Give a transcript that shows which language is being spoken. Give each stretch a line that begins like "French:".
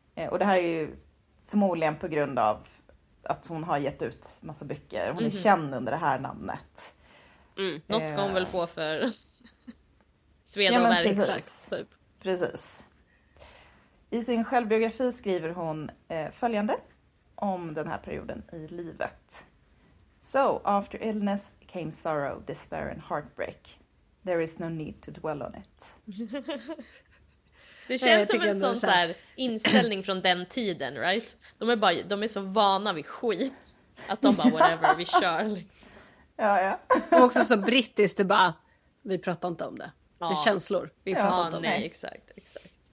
Swedish: Och det här är ju förmodligen på grund av att hon har gett ut massa böcker. Hon är känd under det här namnet. Mm. Något ska hon väl få för Sveda och Bergsack. Precis. Typ. Precis. I sin självbiografi skriver hon följande om den här perioden i livet.
English: So, after illness came sorrow, despair and heartbreak. There is no need to dwell on it.
Swedish: Det känns som en sån här inställning från den tiden, right? De är så vana vid skit att de bara, whatever, vi kör. Ja, ja. De är också så brittiskt, det bara, vi pratar inte om det. Ja. Det är känslor, vi pratar ja, inte om nej, det. Nej, exakt, exakt.